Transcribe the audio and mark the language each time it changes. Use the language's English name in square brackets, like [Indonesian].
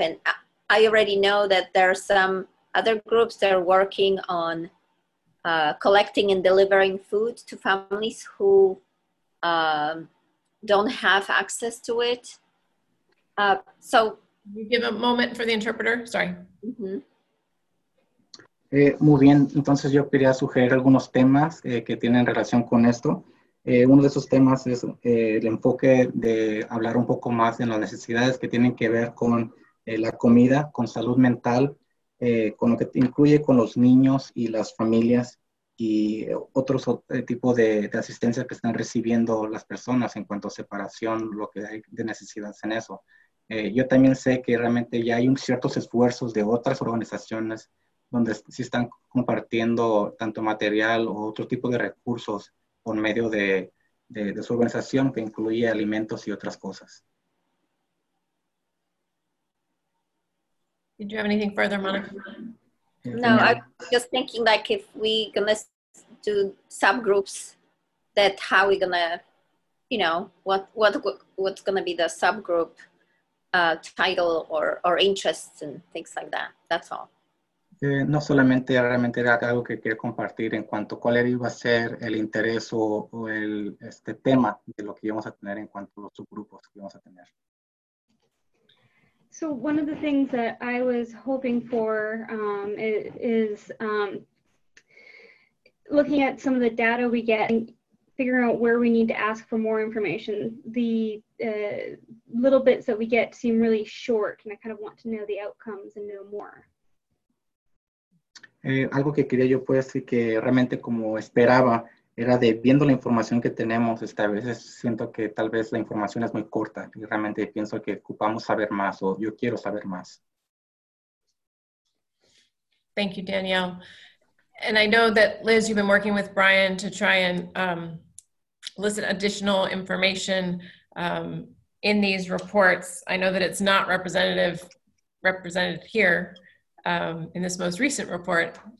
[English] And I already know that there are some other groups that are working on collecting and delivering food to families who don't have access to it. So, can you give a moment for the interpreter? Sorry. [Spanish] Mm-hmm. Muy bien. Entonces, yo quería sugerir algunos temas que tienen relación con esto. Uno de esos temas es el enfoque de hablar un poco más de las necesidades que tienen que ver con la comida, con salud mental, con lo que incluye con los niños y las familias. y otros tipos de asistencia que están recibiendo las personas en cuanto a separación, lo que hay de necesidades en eso. Yo también sé que realmente ya hay ciertos esfuerzos de otras organizaciones donde sí están compartiendo tanto material o otro tipo de recursos por medio de su organización, que incluye alimentos y otras cosas. [English] Did you have anything further, Monica? No, I'm just thinking like if we're gonna do subgroups, that how we're gonna, you know, what's gonna be the subgroup title or interests and things like that. That's all. [Spanish] No solamente realmente era algo que quería compartir en cuanto a cuál iba a ser el interés o el este tema de lo que íbamos a tener en cuanto a los subgrupos que íbamos a tener. [English] So one of the things that I was hoping for is looking at some of the data we get and figuring out where we need to ask for more information. The little bits that we get seem really short, and I kind of want to know the outcomes and know more. [Spanish] Algo que quería yo pues y que realmente como esperaba era de viendo la información que tenemos, a veces siento que tal vez la información es muy corta y realmente pienso que ocupamos saber más o yo quiero saber más. [English] Thank you, Danielle. And I know that Liz, you've been working with Brian to try and listen additional information in these reports. I know that it's not represented here. In this most recent report.